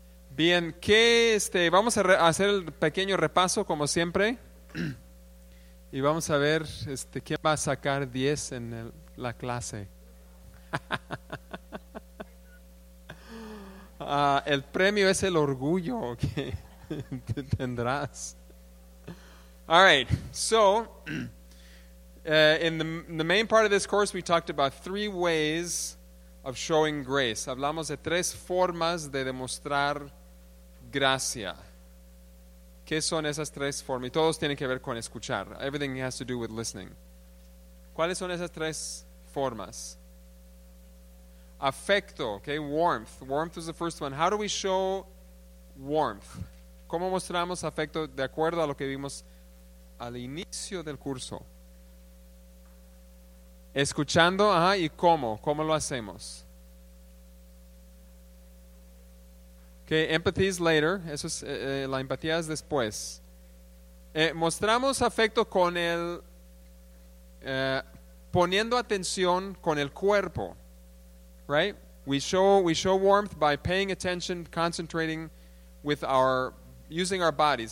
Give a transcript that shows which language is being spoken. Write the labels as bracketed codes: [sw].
[es] Bien, que vamos a hacer el pequeño repaso como siempre. Y vamos a ver quién va a sacar 10 en la clase. El premio es el orgullo que te tendrás. [en] All right, so in the main part of this course, we talked about 3 ways of showing grace. [es] Hablamos de 3 formas de demostrar gracia. ¿Qué son esas 3 formas? Y todos tienen que ver con escuchar. [en] Everything has to do with listening. [es] ¿Cuáles son esas 3 formas? Afecto, [en] okay? Warmth. Warmth is the first one. How do we show warmth? [es] ¿Cómo mostramos afecto de acuerdo a lo que vimos al inicio del curso? Escuchando, ajá, ¿y cómo? ¿Cómo lo hacemos? [en] Okay, empathy is later. [es] Eso es, la empatía es después. Mostramos afecto con el poniendo atención con el cuerpo, right? [en] We show warmth by paying attention, concentrating with using our bodies.